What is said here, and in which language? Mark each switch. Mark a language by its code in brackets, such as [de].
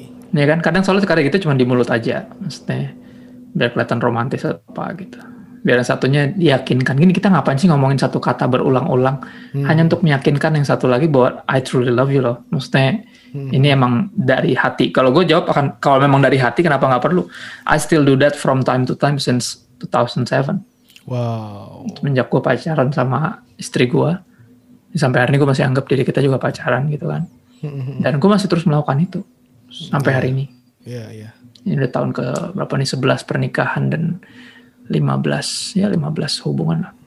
[id] Ya kan, kadang soalnya sekarang itu cuma di mulut aja. Maksudnya biar kelihatan romantis atau apa gitu. biar yang satunya diyakinkan. Gini, kita ngapain sih ngomongin satu kata berulang-ulang hanya untuk meyakinkan yang satu lagi bahwa [en] I truly love you [id] loh. Maksudnya ini emang dari hati. Kalau gue jawab akan, kalau memang dari hati kenapa gak perlu? [en] I still do that from time to time since 2007. Wow. [id] Semenjak gue pacaran sama istri gue, sampai hari ini gue masih anggap diri kita juga pacaran gitu kan. Dan gue masih terus melakukan itu sampai hari ini. Iya. Ini udah tahun ke berapa nih, 11 pernikahan dan 15 hubungan lah.